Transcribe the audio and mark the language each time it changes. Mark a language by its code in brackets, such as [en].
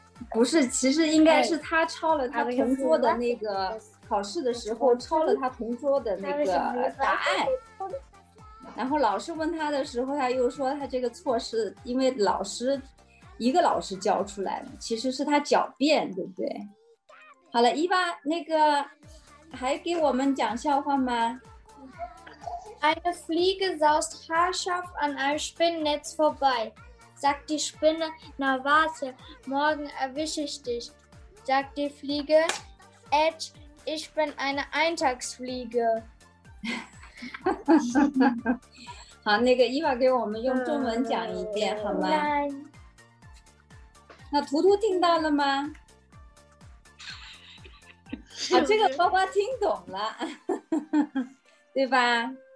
[zh] 不是，其实应该是他抄了他同桌的那个考试的时候抄了他同桌的那个答案，然后老师问他的时候他又说他这个错是因为老师一个老师教出来的，其实是他狡辩，对不对？好了，伊娃，那个还给我们讲笑话吗？ [de] Eine Fliege saust haarscharf an einem Spinnennetz vorbei. Sagt die Spinne, na warte, morgen erwische ich dich. Sagt die Fliege, Edge, ich bin eine Eintagsfliege. [zh] 好，那个伊娃给我们用中文讲一遍好吗？那图图听到了吗？啊，这个呱呱听懂了，对吧？